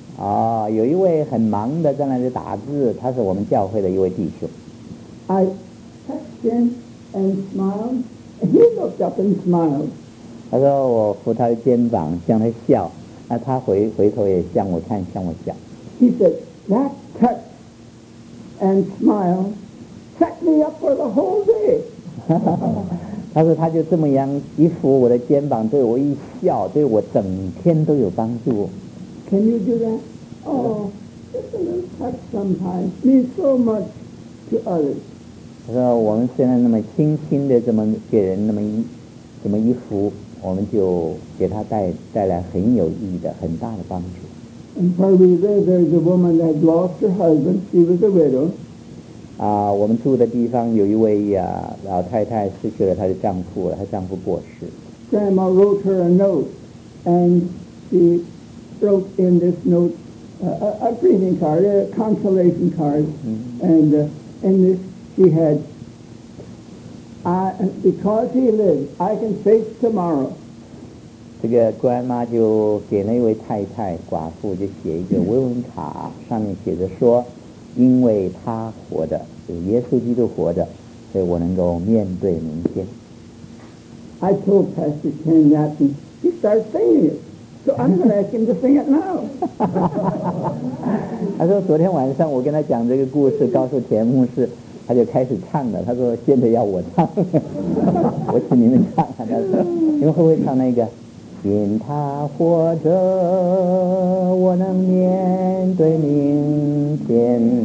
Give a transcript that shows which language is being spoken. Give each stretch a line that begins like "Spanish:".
Chinese: 啊，有一位很忙的在那里打字，他是我们教会的一位弟兄。
English: I touched him and smiled. He looked up and smiled.
Chinese: 他说我扶他的肩膀向他笑，那他回头也向我看，向我笑。
English: He said that touch and smile set me up for the whole day.
Chinese: 他说他就这么样一扶我的肩膀，对我一笑，对我整天都有帮助。
English: Can you do that? Oh, just a little touch sometimes means so much to others.
Chinese: 他说我们虽然那么轻轻的这么给人那么一扶，我们就给他带来很有意义的很大的帮助。
English: And probably there's a woman that lost her husband. She was a widow.
Chinese: 啊，我们住的地方有一位老太太失去了她的丈夫，她丈夫过世。
English: Grandma wrote her a note, and she wrote in this note a greeting card, a consolation card, and in this she had, because he lives, I can face tomorrow.
Chinese: 这个 grandma 就给那位太太寡妇就写一个慰问卡，上面写着说，因为他活着，就耶稣基督活着，所以我能够面对明天。
English: I told Pastor Ken that, and he started singing it. So I'm going to ask him to sing it now.
Chinese: 他说昨天晚上我跟他讲这个故事，告诉田牧师，他就开始唱了。他说现在要我唱，我请你们唱。他说你们会不会唱那个？因他活着，我能面对明天。